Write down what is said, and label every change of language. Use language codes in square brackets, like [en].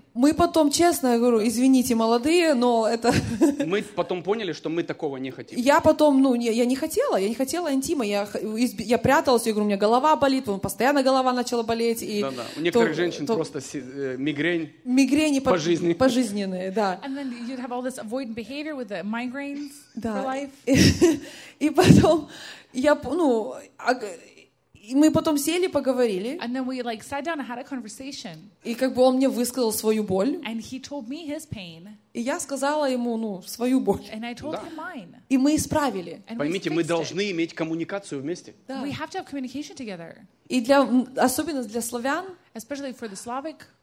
[ru] Мы потом, честно, я говорю, извините, молодые, но это... Мы потом поняли, что мы такого не хотим. Я потом, ну, я не хотела интима. Я пряталась, я говорю, у меня голова болит, постоянно голова начала болеть. И да-да, у некоторых женщин просто мигрень. Мигрени по жизни. Пожизненные, да. [en] And then you'd have all this avoidant behavior with the migraines [ru] да. [en] for life. [ru] И потом я, ну... И мы потом сели, поговорили. [en] And then we, like, sat down and had a conversation. [ru] И как бы он мне высказал свою боль. [en] And he told me his pain. [ru] И я сказала ему, ну, свою боль. [en] And I told him mine. [ru] И мы исправили. And поймите, мы должны иметь коммуникацию вместе. Да. [en] We have to have communication together. [ru] И для, особенно для славян. [en] Especially for the Slavic.